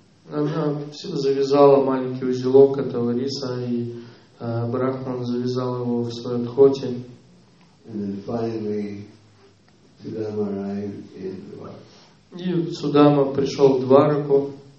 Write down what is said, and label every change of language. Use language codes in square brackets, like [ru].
[ru] Она завязала маленький узелок этого риса, и Брахман завязал его в своем дхоте. [en] And then finally, Sudama arrived in [ru] Dwaraka. И Судама пришел в Двараку.